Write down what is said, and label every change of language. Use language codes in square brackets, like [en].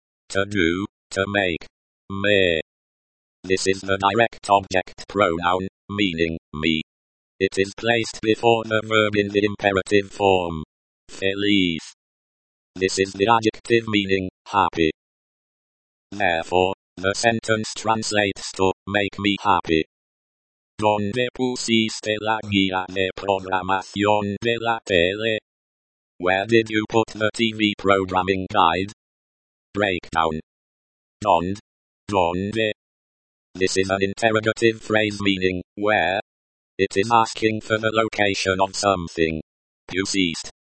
[en] To do, to make. Me. This is the direct object pronoun, meaning, me. It is placed before the verb in the imperative form. Feliz. This is the adjective meaning, happy. Therefore, the sentence translates to, make me happy. [es] ¿Dónde pusiste la guía de programación de la tele? [en] Where did you put the TV programming guide? Breakdown. ¿Dónde? This is an interrogative phrase meaning, where? It is asking for the location of something. Pusiste.